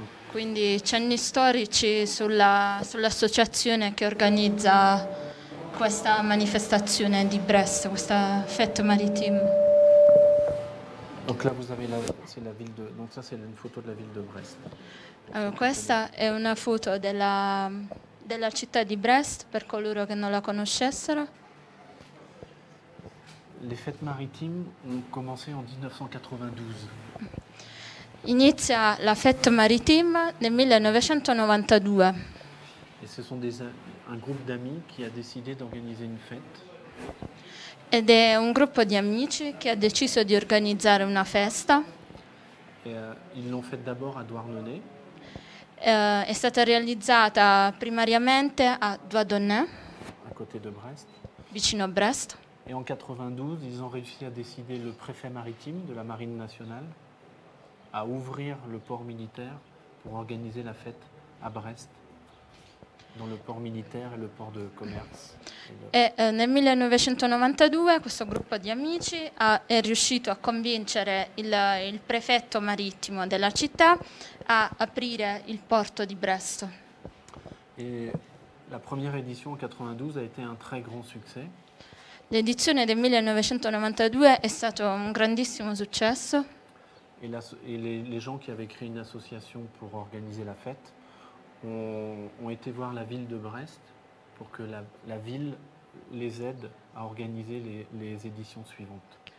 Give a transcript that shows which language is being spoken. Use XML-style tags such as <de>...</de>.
<it>Quindi cenni storici sull'associazione che organizza questa manifestazione di Brest, questa fête maritime.</it> <fr>Donc là vous avez la, c'est la ville de, donc ça c'est une photo de la ville de Brest.</fr> <it>Questa è una foto della città di Brest per coloro che non la conoscessero.</it> <fr>Les fêtes maritimes ont commencé en 1992.</fr> <it>Inizia la fête maritime nel 1992.</it> <fr>Et ce sont des un groupe d'amis qui a décidé d'organiser une fête.</fr> <it>Ed è un gruppo di amici che ha deciso di organizzare una festa.</it> <fr>Ils l'ont fait d'abord à Douarnenez.</fr> <it>È stata realizzata primariamente a Douarnenez.</it> <fr>À côté de Brest.</fr> <it>Vicino a Brest.</it> <fr>Et en 92, ils ont réussi à décider le préfet maritime de la Marine nationale à ouvrir le port militaire pour organiser la fête à Brest. Dans le port militaire et le port de commerce.</fr> <it>Nel 1992 questo gruppo di amici è riuscito a convincere il prefetto marittimo della città a aprire il porto di Brest.</it> <fr>Et la première édition en 92 a été un très grand succès.</fr> <it>L'edizione del 1992 è stato un grandissimo successo.</it> <fr>Et les gens qui avaient créé une association pour organiser la fête ont été voir la ville de Brest pour que la ville les aide à organiser les éditions suivantes.</fr>